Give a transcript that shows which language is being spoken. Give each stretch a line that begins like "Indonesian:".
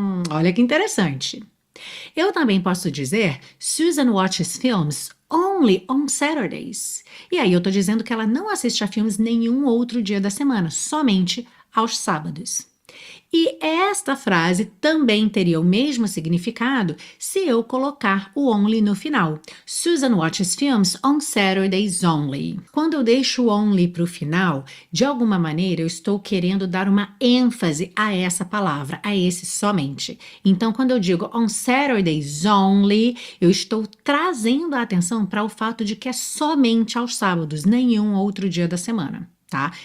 Portuguese: Olha que interessante. Eu também posso dizer
English: Susan watches films only on Saturdays.
Portuguese: E aí eu estou dizendo que ela não assiste a filmes nenhum outro dia da semana, somente aos sábados. E esta frase também teria o mesmo significado se eu colocar o only no final.
English: Susan watches films on Saturdays only.
Portuguese: Quando eu deixo o only para o final, de alguma maneira eu estou querendo dar uma ênfase a essa palavra, a esse somente. Então, quando eu digo
English: on Saturdays only,
Portuguese: eu estou trazendo a atenção para o fato de que é somente aos sábados, nenhum outro dia da semana. Tá?